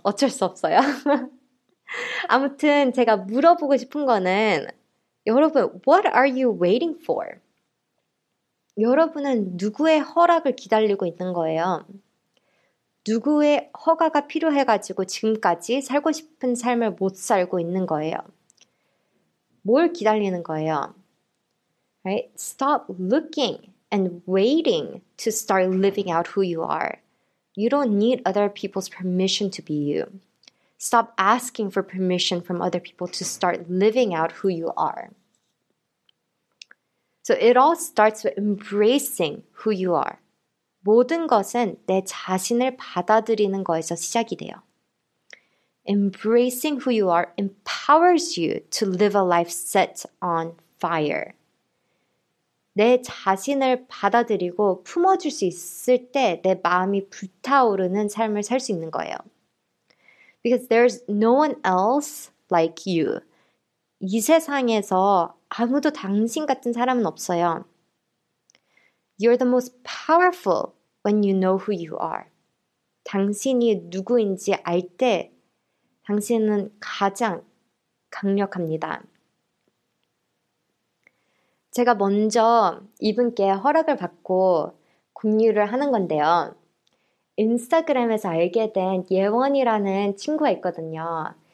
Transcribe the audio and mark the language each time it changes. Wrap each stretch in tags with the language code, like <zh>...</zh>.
<ko>어쩔 수 없어요. 아무튼 제가 물어보고 싶은 거는 여러분,</ko> <en>what are you waiting for?</en> <ko>여러분은 누구의 허락을 기다리고 있는 거예요? 누구의 허가가 필요해가지고 지금까지 살고 싶은 삶을 못 살고 있는 거예요? 뭘 기다리는 거예요? Right?</ko> <en>Stop looking and waiting to start living out who you are. You don't need other people's permission to be you. Stop asking for permission from other people to start living out who you are. So it all starts with embracing who you are.</en> <ko>모든 것은 내 자신을 받아들이는 거에서 시작이 돼요.</ko> <en>Embracing who you are empowers you to live a life set on fire.</en> <ko>내 자신을 받아들이고 품어줄 수 있을 때내 마음이 불타오르는 삶을 살수 있는 거예요.</ko> <en>Because there's no one else like you.</en> <ko>이 세상에서 아무도 당신 같은 사람은 없어요.</ko> <en>You're the most powerful when you know who you are.</en> <ko>당신이 누구인지 알때 당신은 가장 강력합니다. 제가 먼저 이분께 허락을 받고 공유를 하는 건데요. 인스타그램에서 알게 된 예원이라는 친구가 있거든요.</ko>